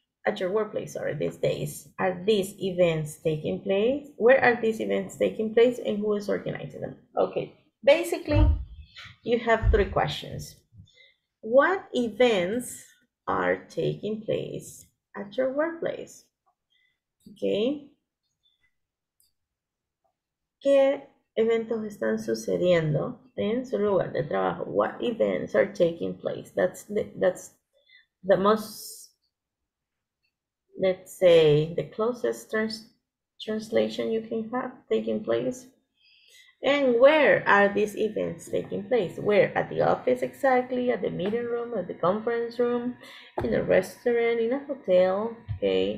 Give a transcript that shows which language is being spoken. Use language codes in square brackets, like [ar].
[en] At your workplace, sorry, these days. Are these events taking place? Where are these events taking place and who is organizing them? Okay, basically, you have three questions. What events are taking place at your workplace? Okay. [es] ¿Qué eventos están sucediendo en su lugar de trabajo? [en] What events are taking place? That's the most, let's say, the closest translation you can have, taking place. And where are these events taking place? Where? At the office exactly, at the meeting room, at the conference room, in a restaurant, in a hotel, okay?